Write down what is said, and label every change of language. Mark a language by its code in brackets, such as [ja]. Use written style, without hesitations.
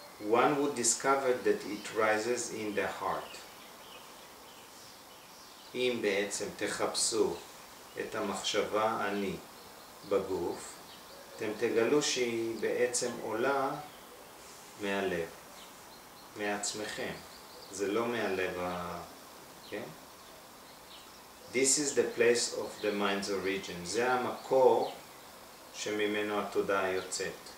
[en] One would discover that it rises in the heart. [he] אם בעצם תחפשו את המחשבה אני בגוף, אתם תגלו שהיא בעצם עולה מהלב, מעצמכם. זה לא מהלב ה... כן? [en] This is the place of the mind's origin. [he] זה המקור שממנו התודעה יוצאת.